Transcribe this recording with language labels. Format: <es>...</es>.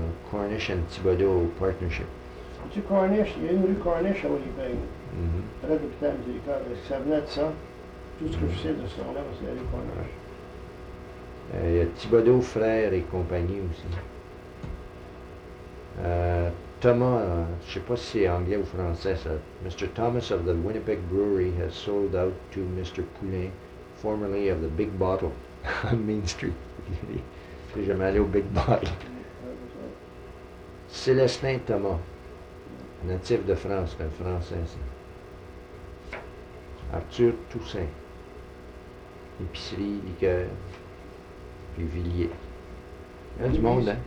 <en>Cornish and Thibodeau Partnership.</en> <fr>Tu Cornish, il y a une rue Cornish à Winnipeg. Près de l'hôpital du Ricard, ça venait de ça. Tout ce que je sais de ce nom-là, c'est la rue Cornish. Il y a Thibodeau Frère et compagnie aussi. Thomas, je ne sais pas si c'est anglais ou français ça.</fr> <en>Mr. Thomas of the Winnipeg Brewery has sold out to Mr. Poulin, formerly of the Big Bottle, on Main Street.</en> <fr>Je suis jamais allé au Big Bottle. Célestin Thomas, natif de France, mais français ça. Arthur Toussaint, épicerie, liqueur. Puis Villiers. Il y a du monde, hein?</fr>